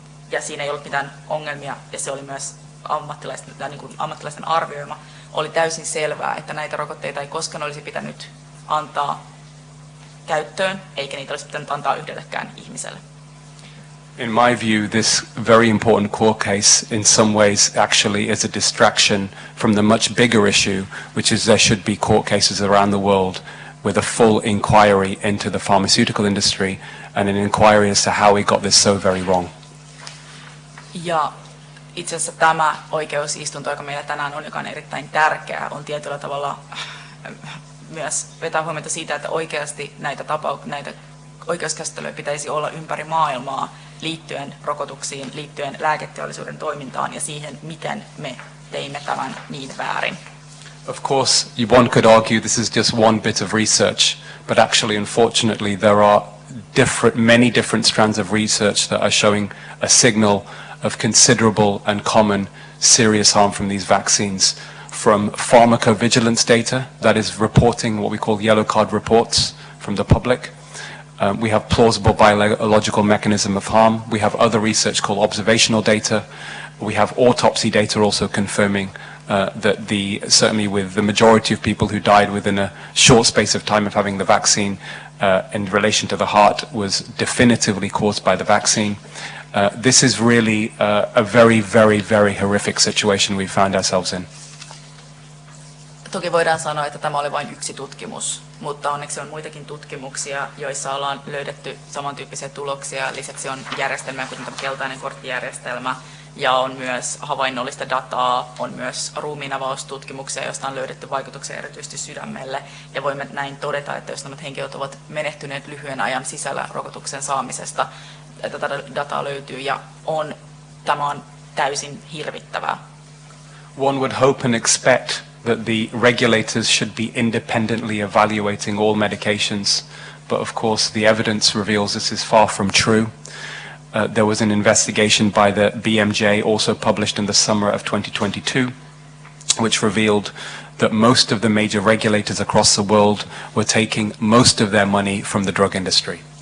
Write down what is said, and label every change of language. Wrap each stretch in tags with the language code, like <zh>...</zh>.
<fi>ja siinä ei ollut mitään ongelmia, ja se oli myös ammattilaisten arvioima, oli täysin selvää, että näitä rokotteita ei koskaan olisi pitänyt antaa käyttöön, eikä niitä olisi pitänyt antaa yhdellekään ihmiselle.</fi> <en>In my view, this very important court case in some ways actually is a distraction from the much bigger issue, which is there should be court cases around the world with a full inquiry into the pharmaceutical industry and an inquiry as to how we got this so very wrong.</en> <fi>Ja itse asiassa tämä oikeusistunto, joka meillä tänään on, joka on erittäin tärkeä, on tietyllä tavalla myös vetää huomiota siitä, että oikeasti näitä oikeuskäsittelyjä pitäisi olla ympäri maailmaa liittyen rokotuksiin, liittyen lääketeollisuuden toimintaan ja siihen, miten me teimme tämän niin väärin.</fi> <en>Of course, one could argue this is just one bit of research, but actually, unfortunately, there are many different strands of research that are showing a signal of considerable and common serious harm from these vaccines, from pharmacovigilance data, that is reporting what we call yellow card reports from the public. We have plausible biological mechanism of harm. We have other research called observational data. We have autopsy data also confirming that the certainly with the majority of people who died within a short space of time of having the vaccine in relation to the heart was definitively caused by the vaccine. This is really a very, very, very horrific situation we found ourselves in.</en> <fi>Toki voidaan sanoa, että tämä oli vain yksi tutkimus, mutta onneksi on muitakin tutkimuksia, joissa ollaan löydetty samantyyppisiä tuloksia. Lisäksi on järjestelmä, kuten tämä keltainen korttijärjestelmä, ja on myös havainnollista dataa, on myös ruumiinavaustutkimuksia, joista on löydetty vaikutuksia erityisesti sydämelle. Ja voimme näin todeta, että jos nämä henkilöt ovat menehtyneet lyhyen ajan sisällä rokotuksen saamisesta, että tätä dataa löytyy, ja on, tämä on täysin hirvittävää.</fi> <en>One would hope and expect that the regulators should be independently evaluating all medications, but of course the evidence reveals this is far from true. There was an investigation by the BMJ also published in the summer of 2022, which revealed that most of the major regulators across the world were taking most of their money from the drug industry.</en>